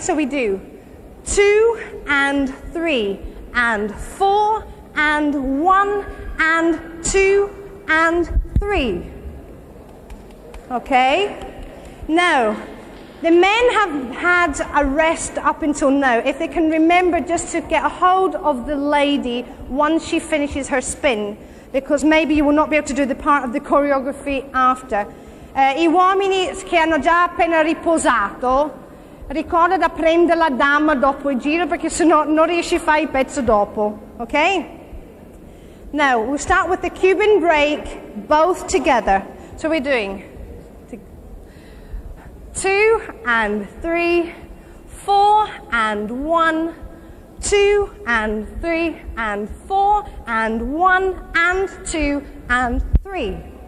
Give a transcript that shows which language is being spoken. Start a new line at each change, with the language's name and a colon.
English: So we do 2 and 3 and 4 and 1 and 2 and 3. Okay? Now, the men have had a rest up until now. If they can remember just to get a hold of the lady once she finishes her spin, because maybe you will not be able to do the part of the choreography after.
Italian: I uomini che hanno già appena riposato, ricorda da prendere la dama dopo il giro, perché sennò non riesci a fare il pezzo dopo.
English: Okay? Now, we'll start with the Cuban break, both together. So we're doing 2 and 3, 4 and 1, 2 and 3 and 4 and 1 and 2 and 3.